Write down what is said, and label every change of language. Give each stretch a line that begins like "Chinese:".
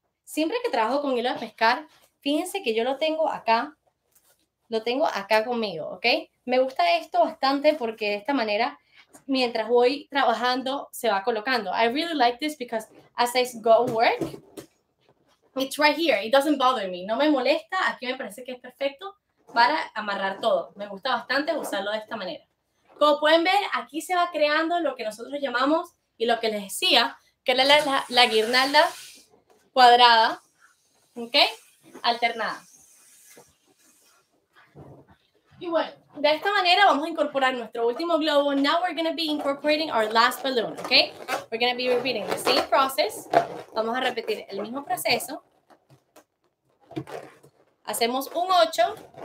Spanish: Siempre que trabajo con hilo de pescar, fíjense que yo lo tengo acá. Lo tengo acá conmigo, ¿ok? Me gusta esto bastante porque de esta manera, mientras voy trabajando, se va colocando.
English: I really like this because as I go work, it's right here. It doesn't bother me.
Spanish: No me molesta. Aquí me parece que es perfecto para amarrar todo. Me gusta bastante usarlo de esta manera. Como pueden ver, aquí se va creando lo que nosotros llamamos y lo que les decía, que era la guirnalda cuadrada, ¿ok? Alternada. Y bueno, de esta manera vamos a incorporar nuestro último globo.
English: Now we're going to be incorporating our last balloon, okay? We're going to be repeating the same process.
Spanish: Vamos a repetir el mismo proceso. Hacemos un 8.